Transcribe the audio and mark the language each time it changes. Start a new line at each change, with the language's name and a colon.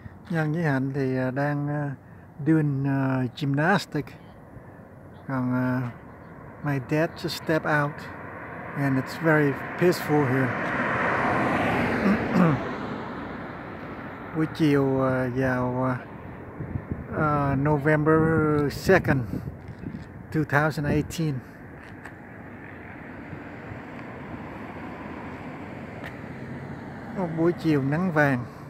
Vietnamese: Nhân với Hạnh thì đang
English: doing gymnastic. Còn my dad just stepped out and it's very peaceful here.
Vietnamese: Buổi chiều vào
English: November 2nd, 2018.
Vietnamese: Một buổi chiều nắng vàng.